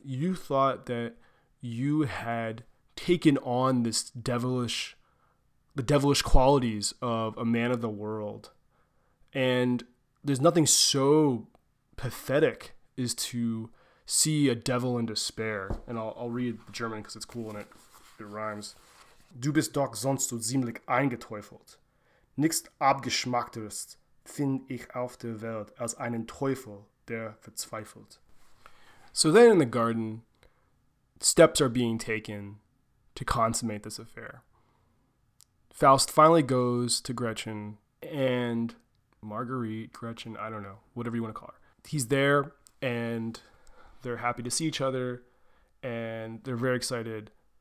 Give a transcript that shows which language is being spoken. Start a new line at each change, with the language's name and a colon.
English: You thought that you had taken on this devilish qualities of a man of the world. And there's nothing so pathetic as to see a devil in despair. And I'll read the German because it's cool and it rhymes.
German: Du bist doch sonst so ziemlich eingeteufelt. Nichts Abgeschmackteres find ich auf der Welt als einen Teufel, der verzweifelt.
English: So then in the garden, steps are being taken to consummate this affair. Faust finally goes to Gretchen, and Marguerite, Gretchen, I don't know, whatever you want to call her. He's there, and they're happy to see each other, and they're very excited.